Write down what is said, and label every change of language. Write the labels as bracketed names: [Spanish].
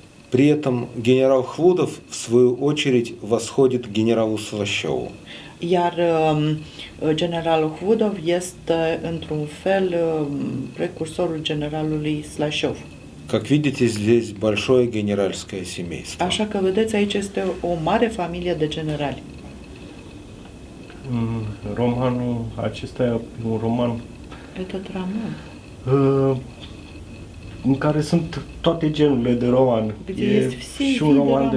[Russian] При этом генерал Хлудов, в свою очередь, восходит генералу Слащеву. [Romanian] Iar general Hludov este într-un fel precursorul generalului Slașov. [Russian] Как видите, здесь большое генеральское семейство. [Romanian] Așa că vedeți, aici este o mare familie de generali. Romanul acesta e un roman. E tot roman. În care sunt toate genurile de roman. E și un roman de